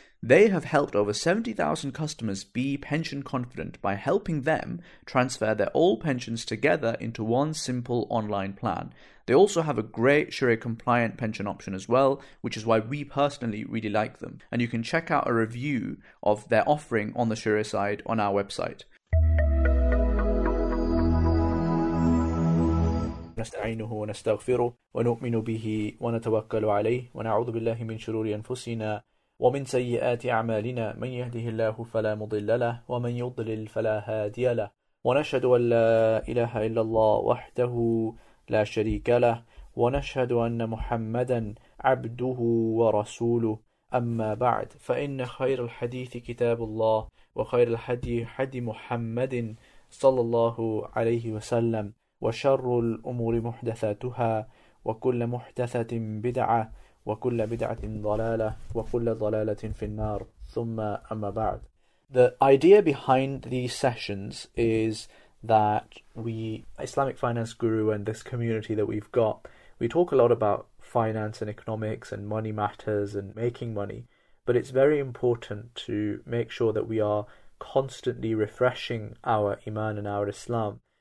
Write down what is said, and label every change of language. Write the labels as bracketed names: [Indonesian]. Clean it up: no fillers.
[English] They have helped over 70,000 customers be pension confident by helping them transfer their old pensions together into one simple online plan. They also have a great Sharia-compliant pension option as well, which is why we personally really like them. And you can check out a review of their offering on the Sharia side on our website. [Arabic] نستعينه ونستغفره ونؤمن به ونتوكل عليه ونعوذ بالله من شرور أنفسنا ومن سيئات أعمالنا من يهده الله فلا مضل له ومن يضلل فلا هادي له ونشهد أن لا إله إلا الله وحده لا شريك له ونشهد أن محمدا عبده ورسوله أما بعد فإن خير الحديث كتاب الله وخير الحدي حدي محمد صلى الله عليه وسلم وشر الأمور محدثاتها وكل محدثة بدعة وكل بدعة ضلالة وكل ضلالة في النار ثم أما بعد. [English] The idea behind these sessions is that we, Islamic Finance Guru and this community that we've got, we talk a lot about finance and economics and money matters and making money, but it's very important to make sure that we are constantly refreshing our Iman and our Islam.